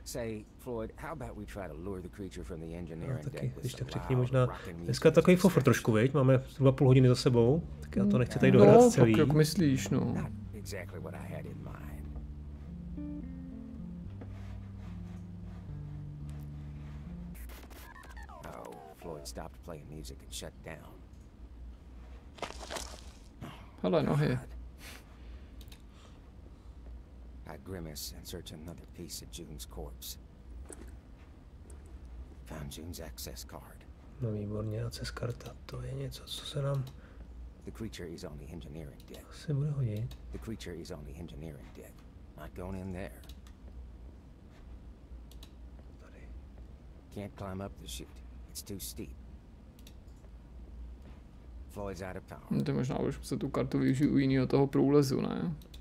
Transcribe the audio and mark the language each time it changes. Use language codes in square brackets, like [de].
[en] Say, Floyd, how about we try to lure the creature from the engineering deck? [cs] Taky, ještě tak řekni, možná dneska takový fofr trošku, viď? Máme zhruba půl hodiny za sebou, tak já to nechci tady dohrát no, celý. No, tak jak myslíš, no. [en] Not exactly what I had in mind. Oh, Floyd stopped playing music and shut down. [cs] Hele, nohy. [en] I grimace and search another piece of June's corpse. Found June's access card. [cs] No výborně, access karta, to je něco, co se nám... [en] The creature is on the engineering deck. [cs] To se bude hodit. [en] The creature is on the engineering deck. Not going in there. Tady. Can't climb up the chute. It's too steep. [cs] To možná už se tu kartu využiju u jiného toho průlezu, ne?